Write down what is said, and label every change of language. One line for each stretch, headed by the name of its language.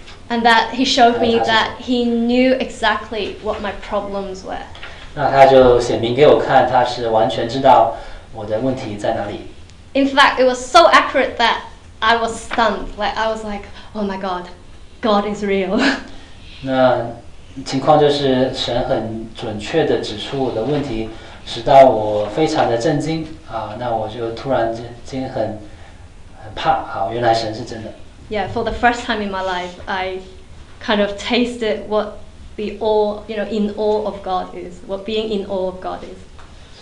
English: And that he showed me that he knew exactly what my problems were.
Chinese: 那他就显明给我看，他是完全知道我的问题在哪里。
English: In fact, it was so accurate that I was stunned. Like I was like, oh my God, God is real.
Chinese: 那情况就是神很准确地指出我的问题，使到我非常的震惊啊。那我就突然间很怕啊，原来神是真的。
English: Yeah, for the first time in my life, I kind of tasted what the awe, you know, in awe of God is, what being in awe of God is.